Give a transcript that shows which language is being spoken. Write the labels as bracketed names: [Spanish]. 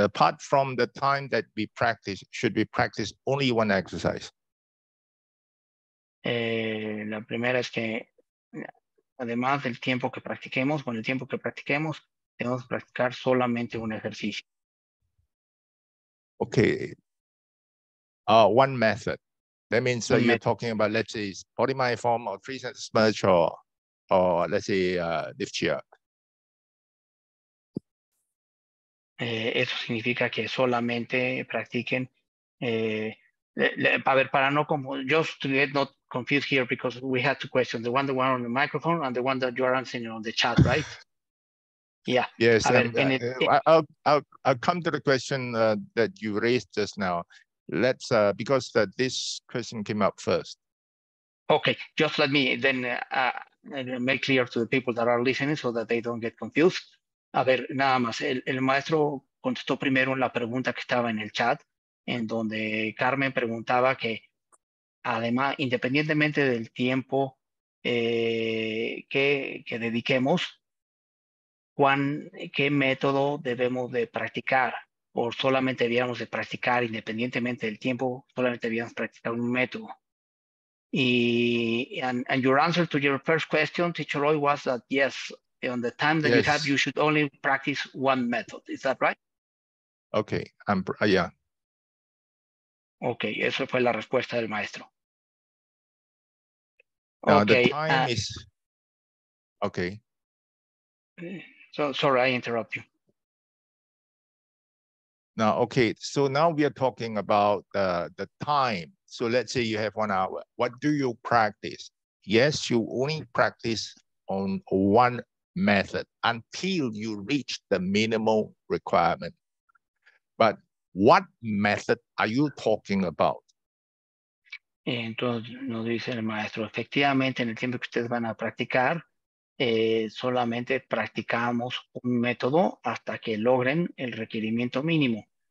[English] Apart from the time that we practice, should we practice only one exercise? [Spanish] La primera es que, además del tiempo que practiquemos, con el tiempo que practiquemos, debemos practicar solamente un ejercicio. [English] Okay. One method. That means that you're talking about, let's say, body mind form or 3 sets of smudge or let's say, lift chair. [Spanish] Eso significa que solamente practiquen Para no, como, [English] just to get not confused here, because we have two questions, the one on the microphone and the one that you're answering on the chat, right? Yeah. Yes. I'll come to the question that you raised just now. Let's, because this question came up first. Okay, just let me then make clear to the people that are listening so that they don't get confused. [Spanish] A ver, nada más, el maestro contestó primero la pregunta que estaba en el chat, en donde Carmen preguntaba que, además, independientemente del tiempo que dediquemos, ¿qué método debemos de practicar? ¿O solamente debíamos de practicar independientemente del tiempo, solamente debíamos practicar un método? [English] And your answer to your first question, Teacher Roy, was that yes, on the time that you have, you should only practice one method. Is that right? Okay, yeah. [Spanish] Okay, eso fue la respuesta del maestro. [English] Now, okay, the time is... Okay. Sorry, I interrupt you. Now, okay, so now we are talking about the time. So let's say you have 1 hour. What do you practice? Yes, you only practice on one method until you reach the minimal requirement. But what method are you talking about? [Spanish] Entonces, nos dice el maestro, efectivamente, en el tiempo que ustedes van a practicar, solamente practicamos un método hasta que logren el requerimiento mínimo.